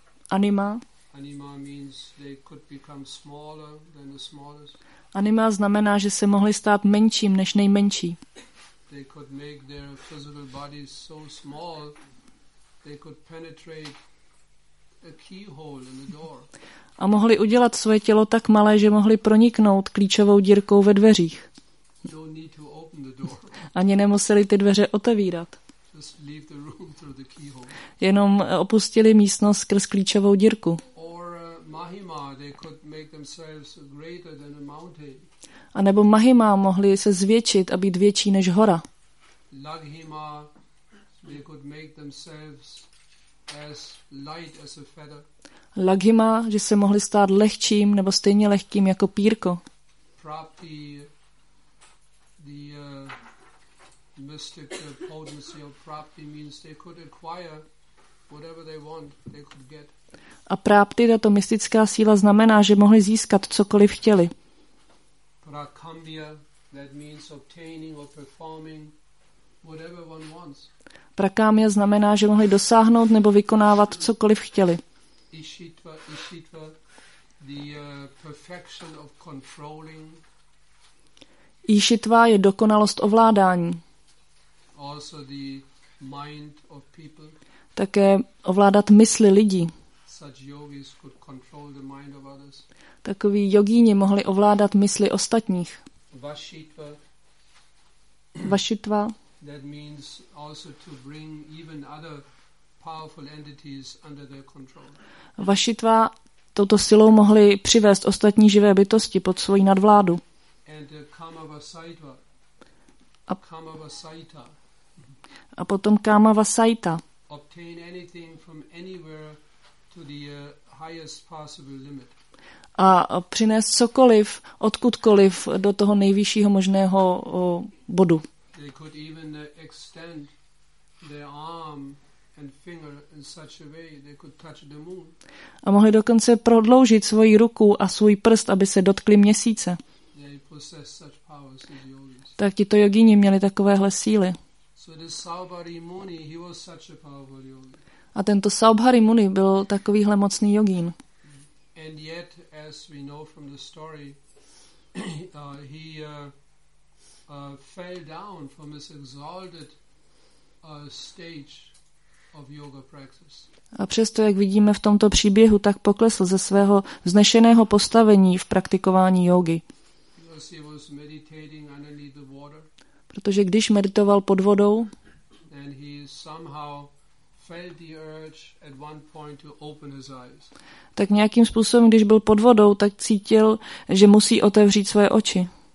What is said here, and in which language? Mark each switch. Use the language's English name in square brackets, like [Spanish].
[English] Anima means they could become smaller than the smallest. [Czech] Anima znamená, že se mohli stát menším než nejmenší. [English] They could make their physical bodies so small they could penetrate a keyhole in the door. [Czech] A mohli udělat svoje tělo tak malé, že mohli proniknout klíčovou dírkou ve dveřích. [English] Don't need to open the door. [Czech] Ani nemuseli ty dveře otevírat. [English] Just leave the room through the keyhole. [Czech] Jenom opustili místnost skrz klíčovou dírku. [English] Or Mahima, they could make themselves greater than a mountain. [Czech] A nebo Mahima mohli se zvětšit a být větší než hora. [English] Laghima, they could make themselves as light as a feather. [Czech] Laghima, že se mohli stát lehčím nebo stejně lehkým jako pírko. [English] Prapti, the mystic potency of prapti means they could acquire whatever they want, they could get. [Czech] A prapti, tato mystická síla, znamená, že mohli získat cokoliv chtěli. [English] Prakambia, that means obtaining or performing whatever one wants. [Czech] Prakámya znamená, že mohli dosáhnout nebo vykonávat cokoliv chtěli. [English] Ishitva, the perfection of controlling. [Czech] Ishitva je dokonalost ovládání. [English] Also the mind of people. [Czech] Také ovládat mysli lidí. [English] Such yogis could control the mind of others. [Czech] Takoví jogíni mohli ovládat mysli ostatních. [English] Vashitva. [Czech] Vashitva. [English] That means also to bring even other powerful entities under their control. [Czech] Vashitva, touto silou mohli přivést ostatní živé bytosti pod svoji nadvládu. [English] And Kamavasaita. Kamavasaita. [Czech] A potom Kamavasaita. [English] Obtain anything from anywhere to the highest possible limit. [Czech] A přinést cokoliv, odkudkoliv do toho nejvyššího možného bodu. [English] They could even extend their arm and finger in such a way they could touch the moon. [Czech] A mohli dokonce prodloužit svoji ruku a svůj prst, aby se dotkli měsíce. [English] They possess such powers as yogis. [Czech] Tak tito jogíni měli takovéhle síly. [English] So this Saubhari Muni, he was such a powerful yogi. [Czech] A tento Saubhari Muni byl takovýhle mocný jogín. [English] And yet, as we know from the story, fell down from his exalted stage of yoga praxis. [Czech] A přesto, jak vidíme v tomto příběhu, tak poklesl ze svého vznešeného postavení v praktikování jógy. [English] Because he was meditating underneath the water. [Czech] Protože když meditoval pod vodou, [English] and he somehow felt the urge at one point to open his eyes. [Czech] Tak nějakým způsobem, když byl pod vodou, tak cítil, že musí otevřít svoje oči.